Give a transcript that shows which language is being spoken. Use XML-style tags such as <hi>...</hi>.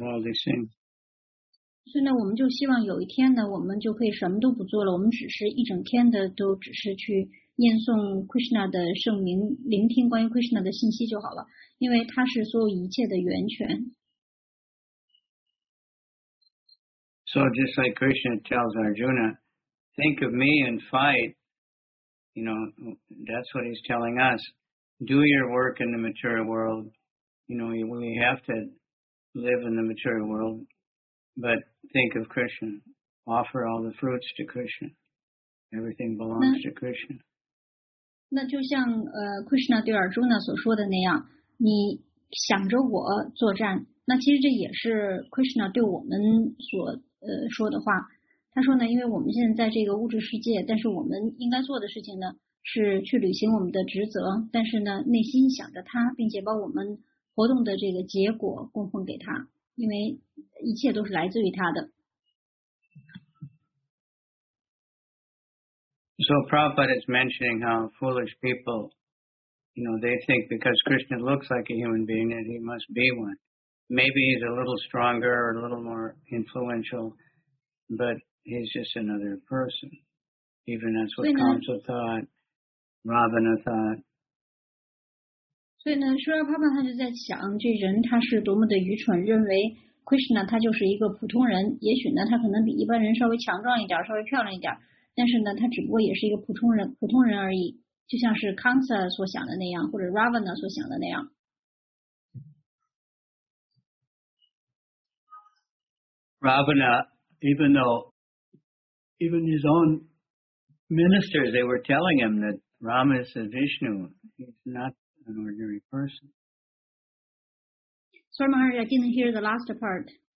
<zh>所以呢，我们就希望有一天呢，我们就可以什么都不做了，我们只是一整天的都只是去念诵 Krishna 的圣名，聆听关于 Krishna 的信息就好了，因为他是所有一切的源泉。</zh> <en>So just like Krishna tells Arjuna, think of me and fight. You know, that's what he's telling us. Do your work in the material world. You know, we have to live in the material world, but think of Krishna. Offer all the fruits to Krishna. Everything belongs to Krishna.</en> <zh>那就像Krishna 对 Arjuna 所说的那样，你想着我作战，那其实这也是 Krishna 对我们所说的话。他说呢，因为我们现在在这个物质世界，但是我们应该做的事情呢，是去履行我们的职责，但是呢，内心想着他，并且把我们活动的这个结果供奉给他，因为一切都是来自于他的。</zh> <en>So Prabhupada is mentioning how foolish people, you know, they think because Krishna looks like a human being that he must be one. Maybe he's a little stronger or a little more influential, but he's just another person. Even that's what Kamsa thought, Ravana thought.</en> <zh>所以呢，舒拉帕帕他就在想，这人他是多么的愚蠢，认为 Krishna 他就是一个普通人，也许呢，他可能比一般人稍微强壮一点，稍微漂亮一点，但是呢，他只不过也是一个普通人，普通人而已，就像是 Kamsa 所想的那样，或者 Ravana 所想的那样。</zh> <en>Ravana, even his own ministers, they were telling him that Rama is a Vishnu. He's not an ordinary person. Sorry, Maharaj, I didn't hear the last part.</en>